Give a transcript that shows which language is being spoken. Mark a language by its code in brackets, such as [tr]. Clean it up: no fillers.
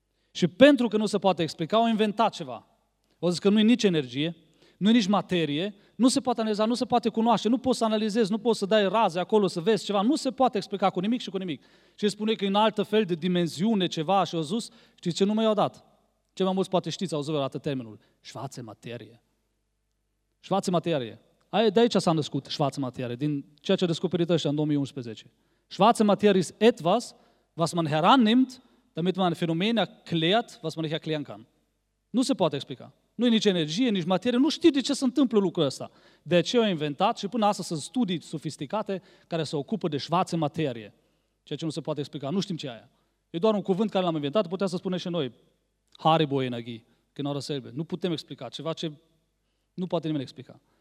[ro] Și pentru că nu se poate explica, au inventat ceva. O zic că nu e nici energie, nu e nici materie, nu se poate analiza, nu se poate cunoaște, nu poți să analizezi, nu poți să dai raze acolo, să vezi ceva, nu se poate explica cu nimic și cu nimic. Și spune că e în altă fel de dimensiune ceva și au zis, știți ce nume i-au dat? Ce mai mulți poate știți, au zis vreodată termenul, schwarze-materie. Schwarze-materie. De aici s-a născut schwarze-materie, din ceea ce a descoperit ăștia în 2011. [de] Schwarze-materie ist etwas, was man herannimmt, damit man Phänomene erklärt, was man nicht erklären kann. [ro] Nu se poate explica. Nu e nici energie, nici materie, nu știi de ce se întâmplă lucrul ăsta. De ce au inventat și până astăzi sunt studii sofisticate care se ocupă de schwarze materie. Ceea ce nu se poate explica, nu știm ce e aia. E doar un cuvânt care l-am inventat, putea să spunem și noi. Haribo energie, când ora selbe. Nu putem explica ceva ce nu poate nimeni explica.